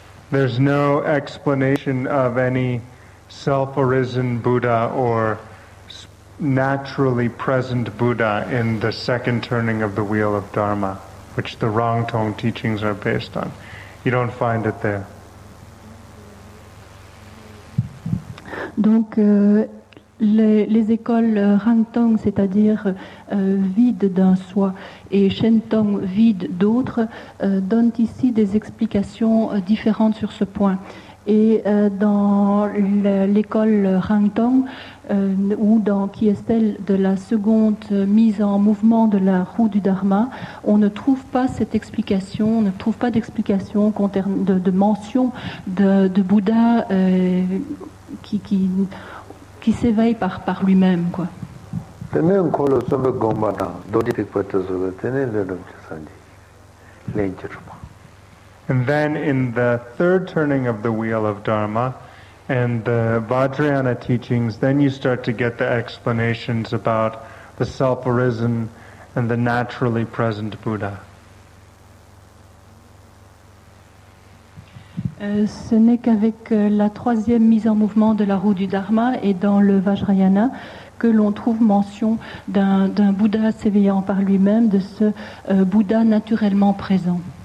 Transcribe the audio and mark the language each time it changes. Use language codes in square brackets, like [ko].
[en] There's no explanation of any self-arisen Buddha or naturally present Buddha in the second turning of the wheel of Dharma, which the Rangtong teachings are based on. You don't find it there. [fr] Donc, les écoles Rangtong, c'est-à-dire vides d'un soi, et Shentong, vides d'autres, donnent ici des explications différentes sur ce point. Et dans l'école Rangtong, ou dans, qui est celle de la seconde mise en mouvement de la roue du Dharma, on ne trouve pas cette explication, on ne trouve pas d'explication de mention de Bouddha qui s'éveille par lui-même, quoi. [en] And then in the third turning of the wheel of Dharma and the Vajrayana teachings, then you start to get the explanations about the self arisen and the naturally present Buddha. [fr] Ce n'est qu'avec la troisième mise en mouvement de la roue du Dharma et dans le Vajrayana que l'on trouve mention d'un Bouddha s'éveillant par lui-même, de ce Bouddha naturellement présent.